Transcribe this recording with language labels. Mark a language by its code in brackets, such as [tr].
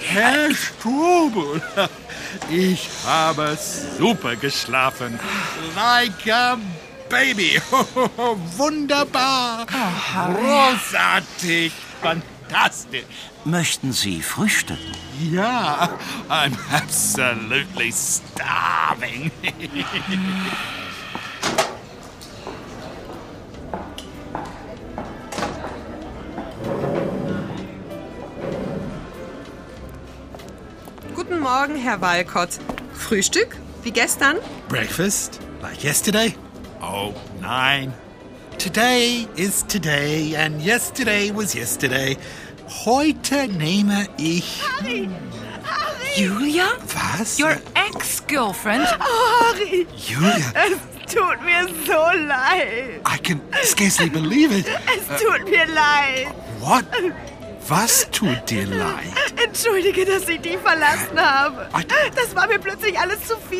[de] Herr Strobel, ich habe super geschlafen. [en] Like a baby. [de] Wunderbar. [en] Oh, Harry. [de] Großartig. Fantastisch. Möchten Sie frühstücken? [en] Ja, I'm absolutely starving. [de] Guten Morgen, Herr Walcott. Frühstück, wie gestern? [en] Breakfast, like yesterday? Oh, nein. Today is today and yesterday was yesterday. [de] Heute nehme ich... Harry! Harry! Julia? Was? [en] Your ex-girlfriend? Oh, Harry! Julia! [de] Es tut mir so leid! [en] I can scarcely believe it! [de] Es tut mir leid! What? Was tut dir leid? Entschuldige, dass ich dich verlassen habe. Das war mir plötzlich alles zu viel.